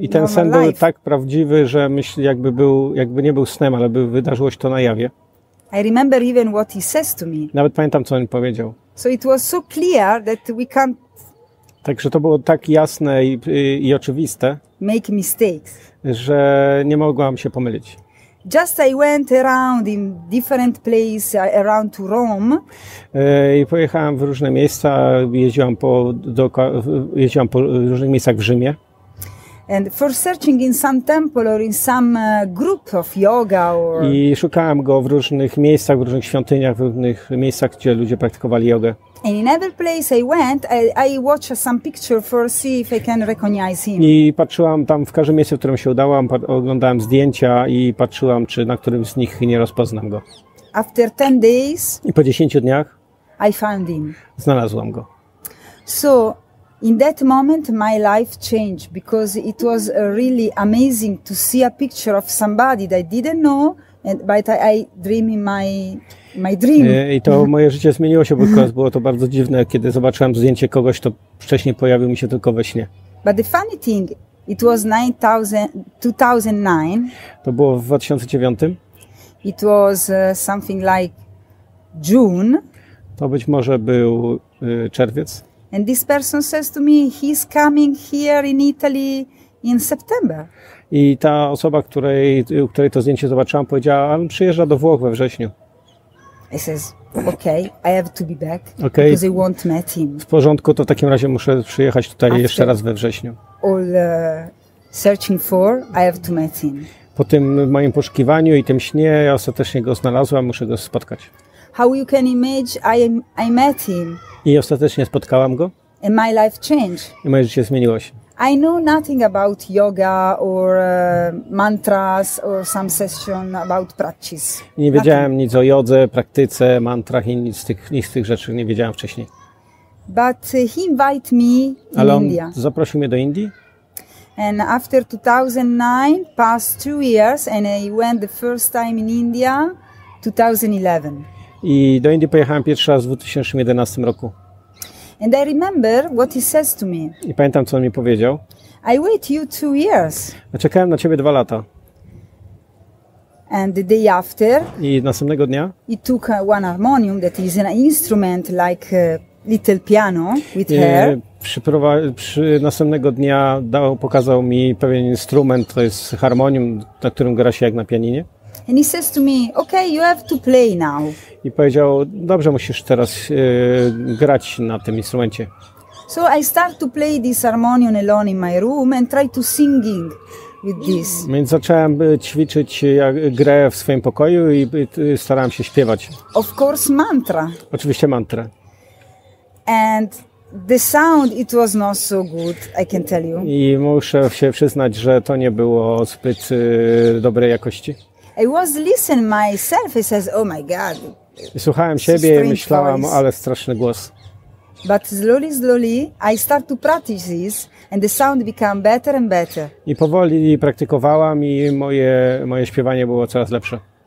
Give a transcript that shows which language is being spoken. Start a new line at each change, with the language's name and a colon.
Polish: I ten sen był tak prawdziwy, że myśl jakby nie był snem, ale by wydarzyło się to na jawie.
English: I remember even what he says to me.
Polish: Nawet pamiętam, co on powiedział.
English: So it was so clear that we can't.
Polish: Także to było tak jasne i oczywiste.
English: Make mistakes.
Polish: Że nie mogłam się pomylić.
English: Just I went around in different places around to Rome.
Polish: I pojechałem w różne miejsca, jeździłam po różnych miejscach w Rzymie.
English: And for searching in some temple or in some group of yoga or.
Polish: I szukałem go w różnych miejscach, w różnych świątyniach, w różnych miejscach, gdzie ludzie praktykowali jogę.
English: And in every place I went, I watched some picture for see if I can recognize him.
Polish: I patrzyłam tam w każdym miejscu, w którym się udałam, oglądałem zdjęcia i patrzyłam, czy na którym z nich nie rozpoznam go.
English: After 10 days.
Polish: I po 10 dniach.
English: I found him.
Polish: Znalazłam go.
English: So. In that moment my life changed because it was really amazing to see a picture of somebody that I didn't know and but I dream in my dream.
Polish: I to moje życie zmieniło się, bo było to bardzo dziwne, kiedy zobaczyłem zdjęcie kogoś, to wcześniej pojawił mi się tylko we śnie.
English: But the funny thing, it was 2009.
Polish: To było w 2009.
English: It was something like June.
Polish: To być może był czerwiec.
English: And this person says to me, he's coming here in Italy in September.
Polish: I ta osoba, której to zdjęcie zobaczyłam, powiedziała, on przyjeżdża do Włoch we wrześniu.
English: I says, okay, I have to be back, okay. Because I won't meet him.
Polish: W porządku, to w takim razie muszę przyjechać tutaj
English: after
Polish: jeszcze raz we wrześniu.
English: All searching for, I have to meet him.
Polish: Po tym moim poszukiwaniu i tym śnie, ja ostatecznie go znalazłam, muszę go spotkać.
English: How you can imagine, I met him.
Polish: I ostatecznie spotkałam go.
English: And my life changed.
Polish: I moje życie zmieniło się.
English: I know nothing about yoga or mantras or some session about practice.
Polish: Nie wiedziałem nic o jodze, praktyce, mantrach i nic z tych rzeczy nie wiedziałem wcześniej.
English: But he invited me in
Polish: Ale on
English: India.
Polish: Zaprosił mnie do Indii.
English: And after 2009 passed 2 years and I went the first time in India 2011.
Polish: I do Indii pojechałem pierwszy raz w 2011 roku.
English: And I remember what he says to me.
Polish: I pamiętam, co on mi powiedział.
English: I wait you 2 years.
Polish: A czekałem na ciebie 2 lata.
English: And the day after.
Polish: I następnego dnia.
English: He took one harmonium that is an instrument like a little piano with hair.
Polish: Następnego dnia pokazał mi pewien instrument, to jest harmonium, na którym gra się jak na pianinie.
English: And he says to me, okay, you have to play now.
Polish: I powiedział, dobrze, musisz teraz grać na tym instrumencie.
English: So I start to play this harmonium alone in my room and try to singing with this.
Polish: Więc zacząłem ćwiczyć grę w swoim pokoju i starałem się śpiewać.
English: Of course mantra.
Polish: Oczywiście mantra.
English: And the sound, it was not so good, I can tell you.
Polish: I muszę się przyznać, że to nie było zbyt dobrej jakości.
English: I was listening myself. He says, "Oh my God!"
Polish: Słuchałem siebie i myślałam, ale straszny głos.
English: But slowly, slowly, I start to practice this, and the sound become better and better.
Polish: I powoli praktykowałam i moje śpiewanie było coraz lepsze.